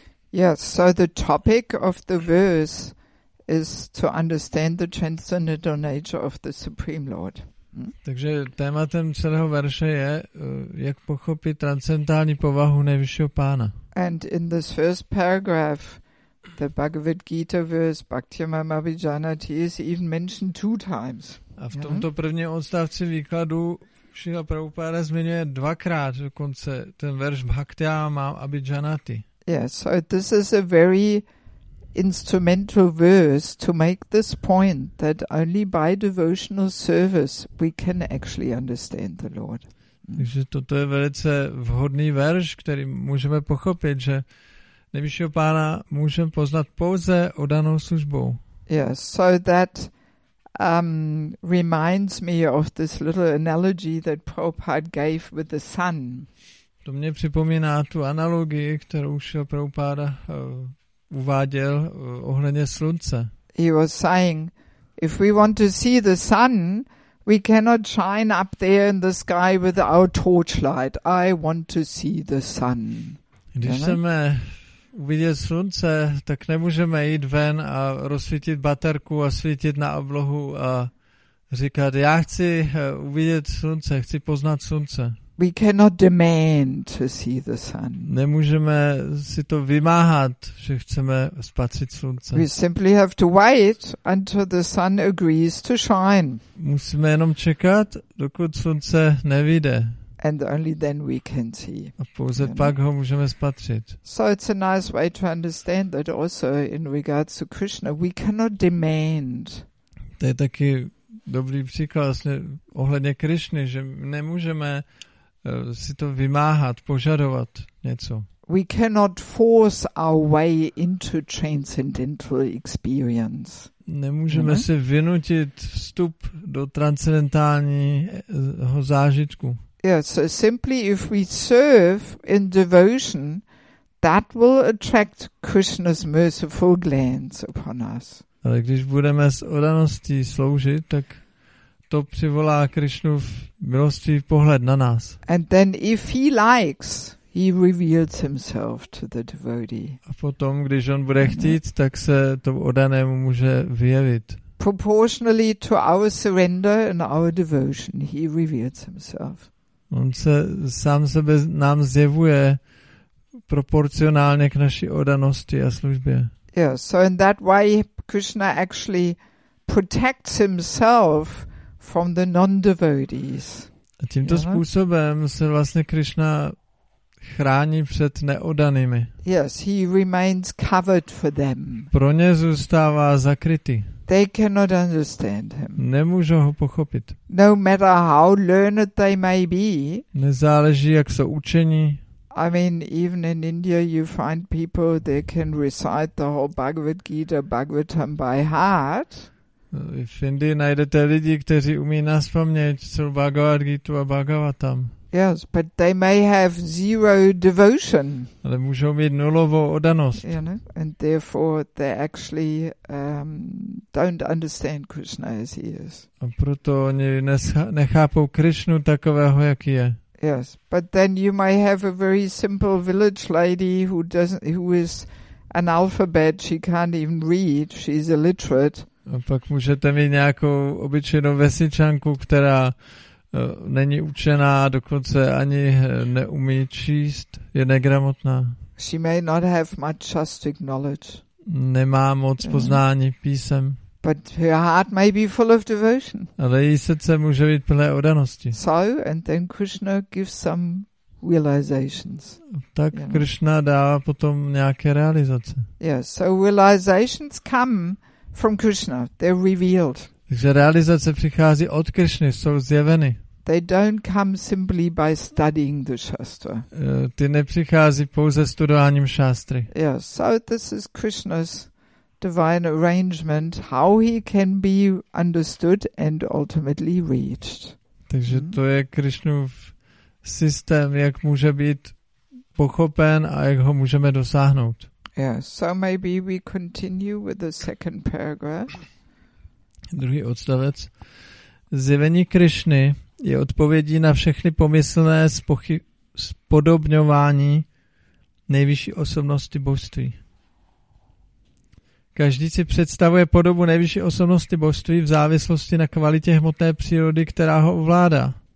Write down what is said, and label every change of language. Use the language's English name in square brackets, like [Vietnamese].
[English] Yes, so the topic of the verse is to understand the transcendental nature of the Supreme Lord. [Czech] Takže tématem celého verše je, jak pochopit transcendentální povahu nejvyššího pána. [English] And in this first paragraph, the Bhagavad Gita verse Bhaktyamam Abhijanati is even mentioned two times. [Czech] A v tomto prvním odstavci výkladu Šila Prabhupada zmiňuje dvakrát dokonce ten verš Bhaktyamam Abhijanati. [English] Yes, so this is a very instrumental verse to make this point that only by devotional service we can actually understand the Lord. [Czech] Takže toto je velice vhodný verš, který můžeme pochopit, že nejvyššího pána můžeme poznat pouze odanou službou. [English] Yes, so that reminds me of this little analogy that Prabhupada gave with the sun. [Czech] To mě připomíná tu analogii, kterou Šila Prabhupada uváděl ohledně slunce. [English] He was saying, if we want to see the sun, we cannot shine up there in the sky with our torchlight. I want to see the sun. [Czech] Když chceme uvidět slunce, tak nemůžeme jít ven a rozsvítit baterku a svítit na oblohu a říkat, já chci uvidět slunce, chci poznat slunce. [English] We cannot demand to see the sun. [Czech] Nemůžeme si to vymáhat, že chceme spatřit slunce. [English] We simply have to wait until the sun agrees to shine. [Czech] Musíme jenom čekat, dokud slunce nevyjde. [English] And only then we can see. [Czech] A pouze pak ho můžeme spatřit. [English] So it's a nice way to understand that also in regards to Krishna, we cannot demand. [Czech] To je taky dobrý příklad vlastně ohledně Krishny, že nemůžeme si to vymáhat, požadovat něco. [English] We cannot force our way into transcendental experience. [Czech] Nemůžeme si vynutit vstup do transcendentálního zážitku. [English] Yeah, so simply if we serve in devotion, that will attract Krishna's merciful glance upon us. [Czech] Ale když budeme s oddaností sloužit, tak to přivolá Krishnův milostivý pohled na nás. [English] And then if he likes, he reveals himself to the devotee. [Czech] A potom, když on bude chtít, tak se to oddanému může vyjevit. [English] Proportionally to our surrender and our devotion, he reveals himself. [Czech] On se sám sebe nám zjevuje proporcionálně k naší oddanosti a službě. [English] Yeah, so in that way Krishna actually protects himself from the non-devotees. [Czech] A tímto způsobem se vlastně Krishna chrání před neodanými. [English] Yes, he remains covered for them. [Czech] Pro ně zůstává zakrytý. [English] They cannot understand him. [Czech] Nemůžou ho pochopit. [English] No matter how learned they may be. [Czech] Nezáleží, jak jsou učení. [English] I mean, even in India you find people that can recite the whole Bhagavad Gita, Bhagavatam by heart. [Czech] V Indii najdete lidi, kteří umí naspaměť celou Bhagavad Gita a Bhagavatam. [English] Yes, but they may have zero devotion. [Czech] Ale můžou mít nulovou oddanost. [English] You know? And therefore they actually don't understand Krishna as he is. [Czech] A proto oni nechápou Krishnu takového, jaký je. [English] Yes, but then you may have a very simple village lady who is an alphabet, she can't even read, she's illiterate. [Czech] A pak můžete mít nějakou obyčejnou vesničanku, která není učená, dokonce ani neumí číst, je negramotná. [English] She may not have much chastic knowledge. [Czech] Nemá moc poznání písem. [English] But her heart may be full of devotion. [Czech] Ale její srdce může být plné oddanosti. [English] So, and then Krishna gives some realizations. [Czech] Tak Krishna dává potom nějaké realizace. [English] Yeah, so realizations come from Krishna. They're revealed. [Czech] Takže realizace přichází od Krishny, jsou zjeveny. [English] They don't come simply by studying the shastra. [Czech] Ty nepřichází pouze studováním šástry. [English] Yeah, so this is Krishna's divine arrangement, how he can be understood and ultimately reached. [Czech] Takže to je Krishnův systém, jak může být pochopen a jak ho můžeme dosáhnout. [English] Yeah, so maybe we continue with the second paragraph. [Czech] Druhý odstavec. Zjevení Krishny je odpovědí na všechny pomyslné spodobňování nejvyšší osobnosti božství. Každý si představuje podobu nejvyšší osobnosti božství v závislosti na kvalitě hmotné přírody, která ho ovládá.